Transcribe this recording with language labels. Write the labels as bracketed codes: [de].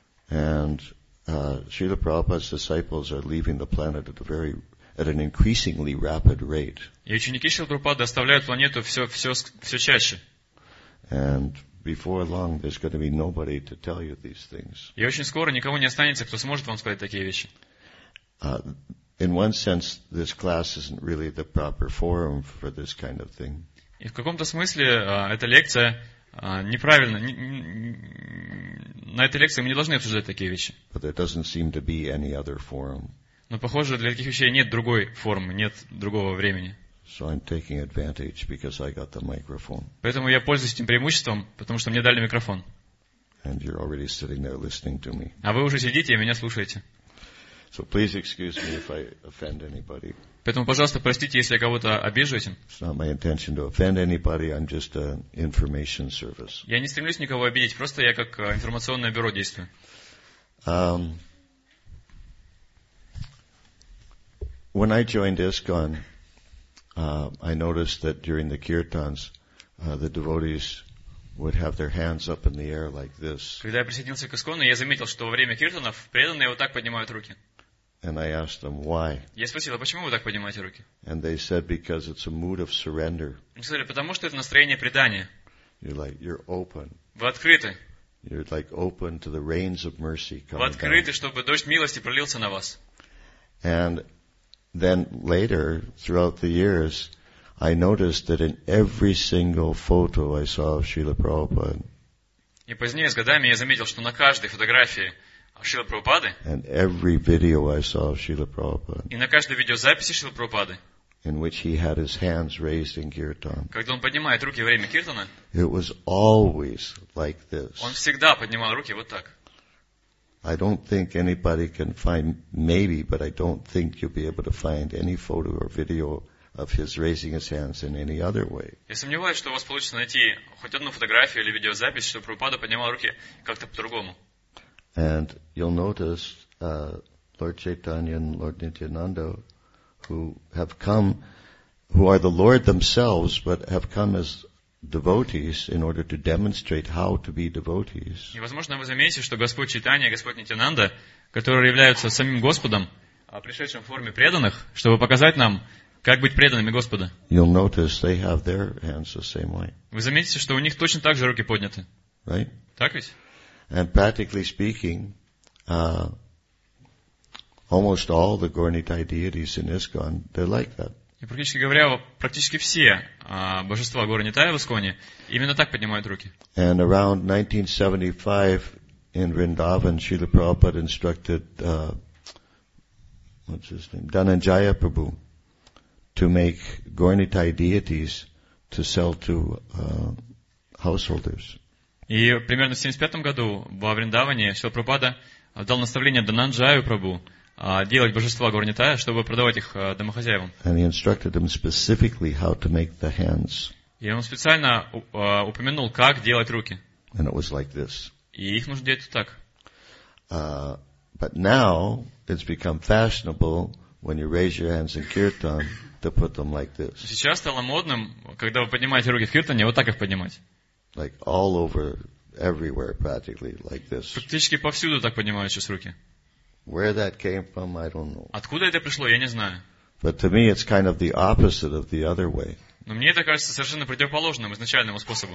[en] And Srila Prabhupada's disciples are leaving the planet at a very at an increasingly rapid rate. [ru] И ученики Шрилы Прабхупады оставляют планету все чаще. [en] And before long there's going to be nobody to tell you these things. [ru] И очень скоро никого не останется, кто сможет вам сказать такие вещи. [en] In one sense, this class isn't really the proper forum for this kind of thing. [ru] И в каком-то смысле эта лекция неправильно. На этой лекции мы не должны обсуждать такие вещи. [en] But there doesn't seem to be any other forum. [ru] Но, похоже, для таких вещей нет другой формы, нет другого времени. [en] So I'm taking advantage because I got the microphone. [ru] Поэтому я пользуюсь этим преимуществом, потому что мне дали микрофон. [en] And you're already sitting there listening to me. [ru] А вы уже сидите и меня слушаете. [en] So please excuse me if I offend anybody. [ru] Поэтому, пожалуйста, простите, если я кого-то обижу этим. [en] It's not my intention to offend anybody, I'm just an information service. [ru] Я не стремлюсь никого обидеть, просто я как информационное бюро действую. [en] When I joined ISKCON, I noticed that during the kirtans, the devotees would have their hands up in the air like this. [ru] Когда я присоединился к Искону, я заметил, что во время киртанов преданные вот так поднимают руки. [en] And I asked them why. [ru] Я спросил, а почему вы так поднимаете руки? [en] And they said because it's a mood of surrender. [ru] Они сказали, потому что это настроение предания. [en] You're like, you're open. [ru] Вы открыты. [en] You're like open to the rains of mercy coming. [ru] Вы открыты, чтобы дождь милости пролился на вас. [en] And then later, throughout the years, I noticed that in every single photo I saw of Srila Prabhupada. [ru] И позднее с годами я заметил, что на каждой фотографии Шрилы Прабхупады. [en] And every video I saw of Srila Prabhupada. [ru] И на каждой видеозаписи Шрилы Прабхупады. [en] In which he had his hands raised in kirtan. [ru] Когда он поднимает руки во время киртана. [en] It was always like this. [ru] Он всегда поднимал руки вот так. [en] I don't think anybody can find, maybe, but I don't think you'll be able to find any photo or video of his raising his hands in any other way. [ru] Я сомневаюсь, что у вас получится найти хоть одну фотографию или видеозапись, что Прабхупада поднимал руки как-то по-другому. [en] And you'll notice Lord Chaitanya and Lord Nityananda, who have come, who are the Lord themselves, but have come as devotees in order to demonstrate how to be devotees. [ru] И возможно, вы заметите, что Господь Чайтанья и Господь Нитьянанда, которые являются самим Господом, пришедшим в форме преданных, чтобы показать нам, как быть преданными Господа. [en] You'll notice they have their hands the same way. [ru] Вы заметите, что у них точно так же руки подняты. [en] Right? [ru] Так ведь? [en] And practically speaking, almost all the Gaur-Nitai deities in ISKCON, they're like that. [ru] И практически говоря, практически все божества Гаур-Нитая в Исконе именно так поднимают руки. [en] And around 1975 in Vrindavan, Srila Prabhupada instructed Dhananjaya Prabhu to make Gaur-Nitai deities to sell to householders. [ru] И примерно в 75 году во Вриндаване Шрила Прабхупада дал наставление Дананджаю Прабу делать божества Гаур-Нитая, чтобы продавать их домохозяевам. [en] And he instructed them specifically how to make the hands. [ru] И он специально упомянул, как делать руки. [en] And it was like this. [ru] И их нужно делать вот так. [en] But now it's become fashionable when you raise your hands in kirtan to put them like this. [ru] Сейчас стало модным, когда вы поднимаете руки в киртане, вот так их поднимать. [en] Like all over, everywhere, practically like this. [ru] Практически повсюду так поднимают сейчас руки. [en] Where that came from, I don't know. [ru] Откуда это пришло, я не знаю. [en] But to me, it's kind of the opposite of the other way. [ru] Но мне это кажется совершенно противоположным изначальному способу.